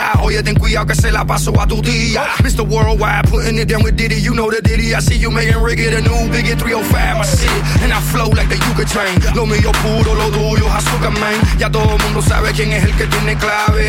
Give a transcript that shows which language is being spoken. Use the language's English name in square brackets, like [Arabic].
[Spanish] yeah, ten cuidado que se la paso a tu tía. [English] Mr. Worldwide, putting it down with Diddy, you know the Diddy. I see you making Riggy the new Biggie 305, my shit. And I flow like the Yuka train. [Spanish] Lo mío puro, lo tuyo, azúcar, man. Ya todo el mundo sabe quién es el que tiene clave.